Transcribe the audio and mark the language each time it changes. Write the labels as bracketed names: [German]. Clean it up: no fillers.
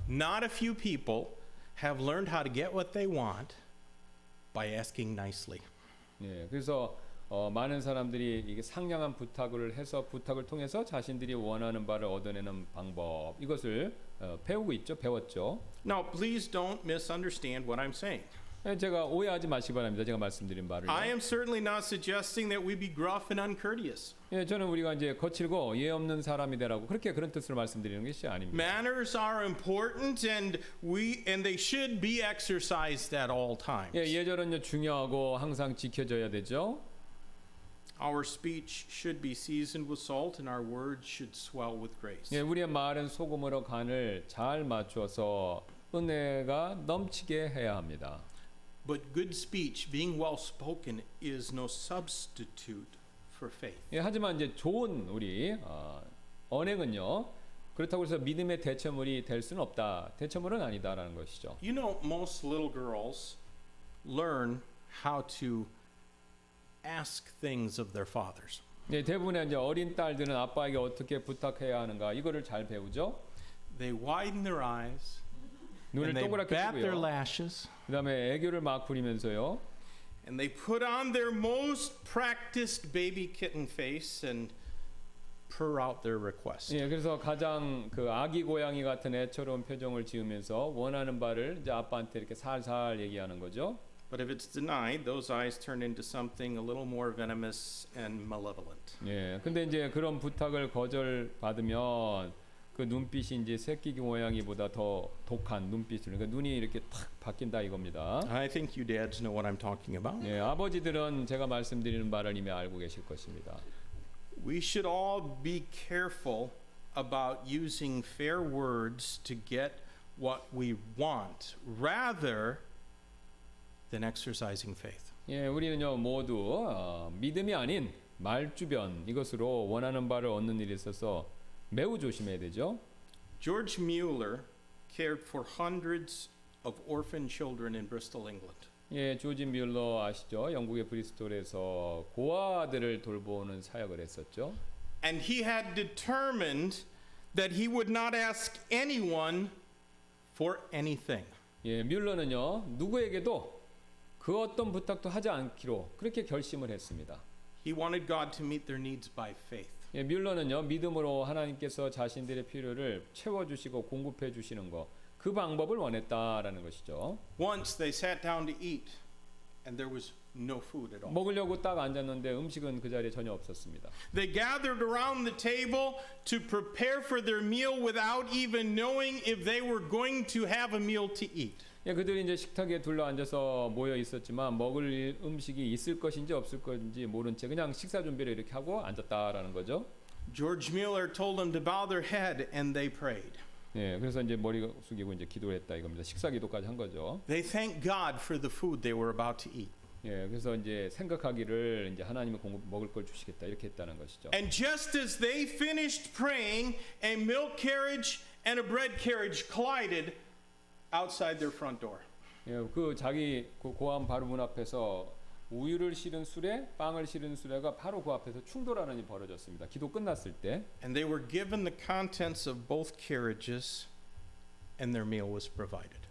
[English] Not a few people have learned how to get what they want by asking nicely. [Korean] 예, 그래서 많은 사람들이 이게 상냥한 부탁을 해서 부탁을 통해서 자신들이 원하는 바를 얻어내는 방법 이것을 배우고 있죠, 배웠죠. [English] Now please don't misunderstand what I'm saying. [Korean] 제가 오해하지 마시기 바랍니다. 제가 말씀드린 말을. [English] I am certainly not suggesting that we be gruff and uncourteous. [Korean] 예, 저는 우리가 이제 거칠고 예 없는 사람이 되라고 그렇게 그런 뜻으로 말씀드리는 것이 아닙니다. [English] Manners are important and they should be exercised at all times. [Korean] 예, 예절은요 중요하고 항상 지켜져야 되죠. [English] Our speech should be seasoned with salt, and our words should swell with grace. [Korean] 예, 우리의 말은 소금으로 간을 잘 맞춰서 은혜가 넘치게 해야 합니다. [English] But good speech, being well spoken, is no substitute for faith. [Korean] 예, 하지만 이제 좋은 우리 언행은요 그렇다고 해서 믿음의 대체물이 될 수는 없다. 대체물은 아니다라는 것이죠. [English] You know, most little girls learn how to ask things of their fathers. [Korean] 네, 대부분의 이제 어린 딸들은 아빠에게 어떻게 부탁해야 하는가 이거를 잘 배우죠. [English] They widen their eyes. [Korean] 눈을 동그랗게 뜨고요. [English] They bat their lashes. [Korean] 그다음에 애교를 막 부리면서요. [English] And they put on their most practiced baby kitten face and purr out their request. [Korean] 네, 그래서 가장 그 아기 고양이 같은 애처로운 표정을 지으면서 원하는 바를 이제 아빠한테 이렇게 살살 얘기하는 거죠. [English] But if it's denied, those eyes turn into something a little more venomous and malevolent. [Korean] 예, 근데 이제 그런 부탁을 거절받으면 그 눈빛이 이제 새끼 고양이보다 더 독한 눈빛으로, 그러니까 눈이 이렇게 탁 바뀐다 이겁니다. [English] I think you dads know what I'm talking about. [Korean] 예, 아버지들은 제가 말씀드리는 말을 이미 알고 계실 것입니다. [English] We should all be careful about using fair words to get what we want, rather than exercising faith. [Korean] 예, 우리는요 모두 믿음이 아닌 말주변 이것으로 원하는 바를 얻는 일에 있어서 매우 조심해야 되죠. [English] George Mueller cared for hundreds of orphan children in Bristol, England. [Korean] 예, 조지 뮬러 아시죠? 영국의 브리스톨에서 고아들을 돌보는 사역을 했었죠. [English] And he had determined that he would not ask anyone for anything. [Korean] 예, 뮬러는요 누구에게도 그 어떤 부탁도 하지 않기로 그렇게 결심을 했습니다. [English] He wanted God to meet their needs by faith. [Korean] 예, 뮬러는요 믿음으로 하나님께서 자신들의 필요를 채워주시고 공급해 주시는 거 그 방법을 원했다라는 것이죠. [English] Once they sat down to eat, and there was no food at all. [Korean] 먹으려고 딱 앉았는데 음식은 그 자리에 전혀 없었습니다. [English] They gathered around the table to prepare for their meal without even knowing if they were going to have a meal to eat. [Korean] 예, 그들이 이제 식탁에 둘러앉아서 모여 있었지만 먹을 음식이 있을 것인지 없을 것인지 모른 채 그냥 식사 준비를 이렇게 하고 앉았다라는 거죠. [English] George Mueller told them to bow their head and they prayed. [Korean] 예, 그래서 이제 머리 숙이고 이제 기도를 했다 이겁니다. 식사 기도까지 한 거죠. [English] They thanked God for the food they were about to eat. [Korean] 예, 그래서 이제 생각하기를 이제 하나님이 공급 먹을 걸 주시겠다 이렇게 했다는 것이죠. [English] And just as they finished praying, a milk carriage and a bread carriage collided outside their front door. [Korean] 예, 그 자기 그 고함 바로 문 앞에서 우유를 실은 수레, 빵을 실은 수레가 바로 그 앞에서 충돌하는 일이 벌어졌습니다. 기도 끝났을 때. [English] And they were given the contents of both carriages and their meal was provided.